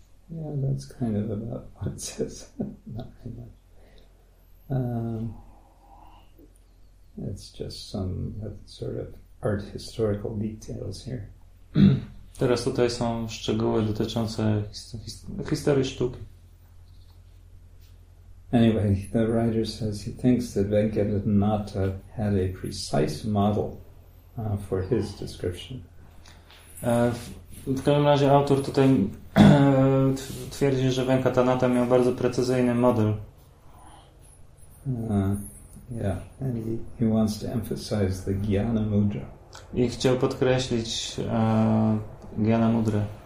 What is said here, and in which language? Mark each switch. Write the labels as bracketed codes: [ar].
[en] Yeah, that's kind of about what it says. Not very much. It's just some sort of art historical details here. [pl] Teraz tutaj są szczegóły dotyczące historii sztuki. [en] Anyway, the writer says he thinks that Venkatanata had a precise model for his description. [pl] W każdym razie autor tutaj twierdzi, że Venkatanata miał bardzo precyzyjny model. [en] And he wants to emphasize the Gyana Mudra. [pl] I chciał podkreślić Gyana Mudrę.